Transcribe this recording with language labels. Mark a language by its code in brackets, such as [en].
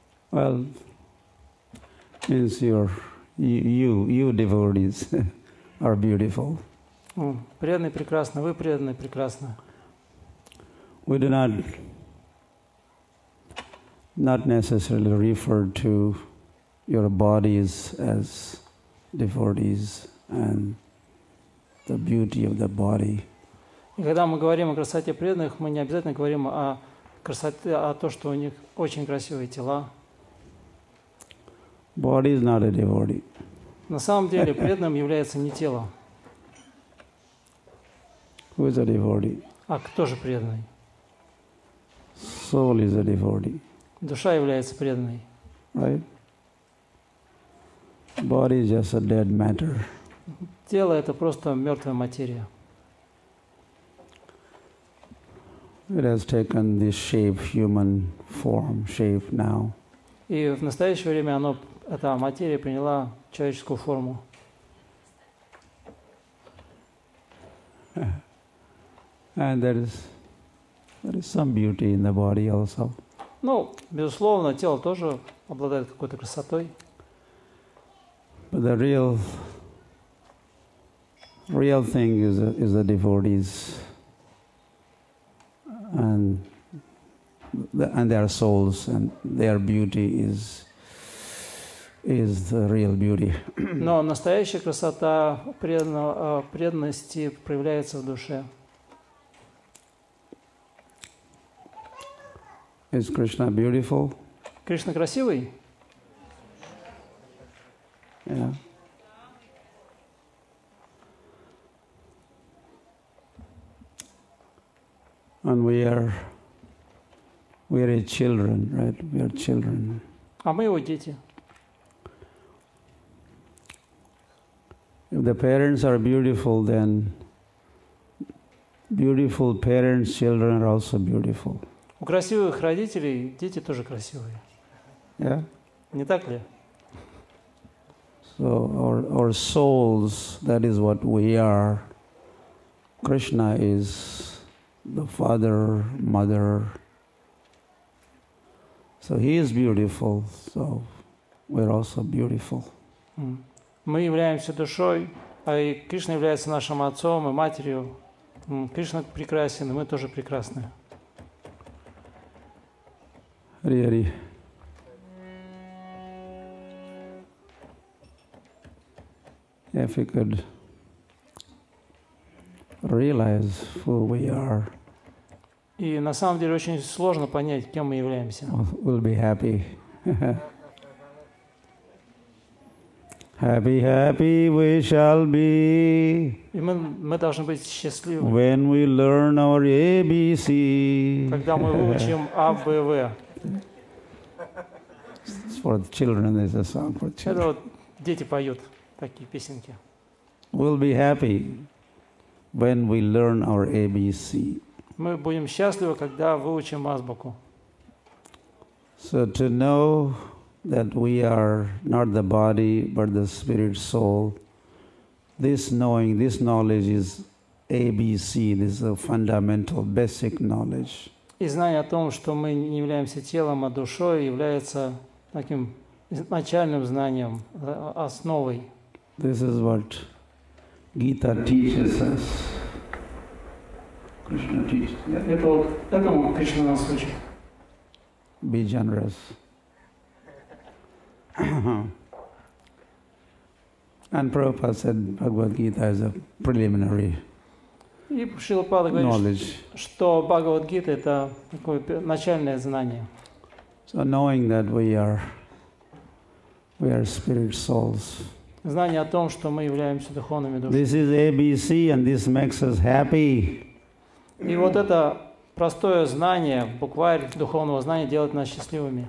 [en] Well, means you devotees are beautiful. [ru] Преданные прекрасны, вы преданные прекрасны. [en] We do not necessarily refer to your bodies as devotees and the beauty of the body. [ru] И когда мы говорим о красоте преданных, мы не обязательно говорим о красоте, о том, что у них очень красивые тела. [en] Body is not a devotee. [ru] На самом деле преданным является не тело. [en] Who is a devotee? [ru] А кто же преданный? [en] Soul is a devotee. [ru] Душа является преданной. [en] Right? Body is just a dead matter. [ru] Тело – это просто мертвая материя. [en] It has taken this shape, human form, shape now. [ru] И в настоящее время оно, эта материя приняла человеческую форму. [en] And there is some beauty in the body also. [ru] Ну, безусловно, тело тоже обладает какой-то красотой. [en] But the real thing is the devotees and their souls, and their beauty is the real beauty. [ru] Но настоящая красота преданности проявляется в душе. [en] Is Krishna beautiful? [ru] Krishna красивый? [en] Yeah. And we are children, right? We are children. [ru] А мы его дети. [en] If the parents are beautiful, then beautiful parents, children are also beautiful. [ru] У красивых родителей дети тоже красивые. [en] Yeah? [ru] Не так ли? [en] So our souls, that is what we are. Krishna is the father, mother. So he is beautiful, so we're also beautiful. [ru] Мы являемся душой, а Кришна является нашим отцом и матерью. Кришна прекрасен, и мы тоже прекрасны. [en] Hari Hari. If we could realize who we are. [ru] И на самом деле очень сложно понять, кем мы являемся. [en] We'll be happy. Happy, happy we shall be. [ru] И мы должны быть счастливы. [en] When we learn our ABC. [ru] Когда мы выучим А, Б, В. [en] It's for the children, there's a song for children. [ru] Это вот дети поют такие песенки. [en] We'll be happy when we learn our ABC. [ru] Мы будем счастливы, когда выучим азбуку. [en] So to know that we are not the body, but the spirit soul, this knowing, this knowledge is ABC, this is a fundamental, basic knowledge. [ru] И зная о том, что мы не являемся телом, а душой, является таким начальным знанием, основой. [en] This is what Gita teaches us. Krishna teaches. [ru] Это вот Кришна нас учит. [en] Be generous. And Prabhupada said Bhagavad Gita is a preliminary knowledge. [ru] Что Бхагавад Гита это такое начальное знание. [en] So knowing that we are spirit souls. [ru] Знание о том, что мы являемся духовными душами. [en] This is ABC and this makes us happy. [ru] И вот это простое знание, букварь духовного знания делает нас счастливыми.